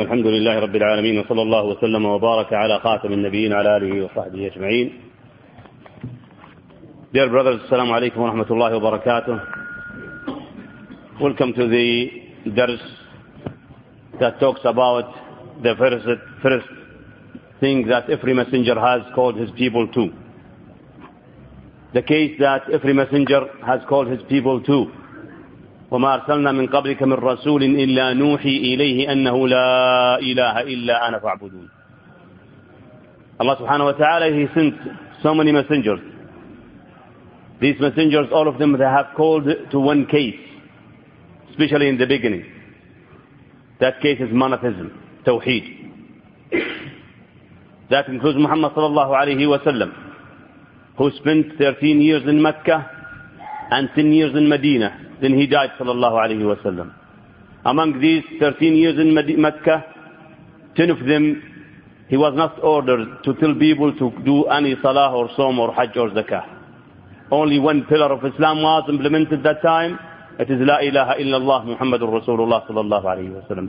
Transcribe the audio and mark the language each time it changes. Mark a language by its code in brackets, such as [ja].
[ar] الحمد لله رب العالمين، وصلى الله وسلم وبارك على خاتم النبيين على آله وصحبه أجمعين. [en] Dear brothers, [ar] السلام عليكم ورحمة الله وبركاته. [en] Welcome to the درس that talks about the first thing that every messenger has called his people to. The case that every messenger has called his people to. [ar] وما أرسلنا من قبلك من رسول إلا نوحي إليه أنه لا إله إلا أنا فاعبدون. [en] Allah [ar] سبحانه وتعالى, [en] He sent so many messengers. These messengers, all of them, they have called to one case, especially in the beginning. That case is monotheism, tawheed. That includes Muhammad [ar] صلى الله عليه وسلم, [en] who spent 13 years in Mecca and 10 years in Medina. Then he died [ar] صلى الله عليه وسلم. [en] Among these 13 years in Mecca, 10 of them, he was not ordered to tell people to do any salah or som or hajj or zakah. Only one pillar of Islam was implemented that time. It is [ar] لا إله إلا الله محمد رسول الله صلى الله عليه وسلم.